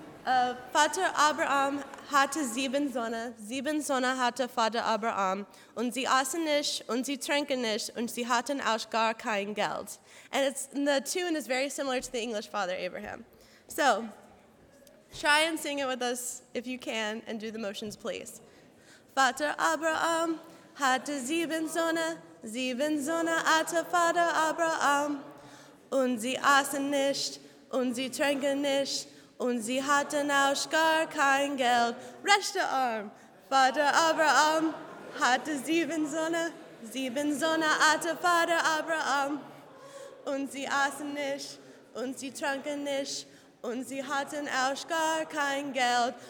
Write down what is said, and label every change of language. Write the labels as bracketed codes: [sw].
[de] Vater Abraham hatte sieben Söhne hatte Vater Abraham, und sie aßen nicht, und sie tranken nicht, und sie hatten auch gar kein Geld. [en] And it's, the tune is very similar to the English Father Abraham. So, try and sing it with us if you can, and do the motions, please. [de] Vater Abraham hatte sieben Söhne hatte Vater Abraham, und sie aßen nicht, und sie tranken nicht, und sie hatten auch gar kein Geld. Rechte Arm. Vater Abraham hatte sieben Söhne hatte Vater Abraham, und sie aßen nicht, und sie tranken nicht, und sie hatten auch gar kein Geld.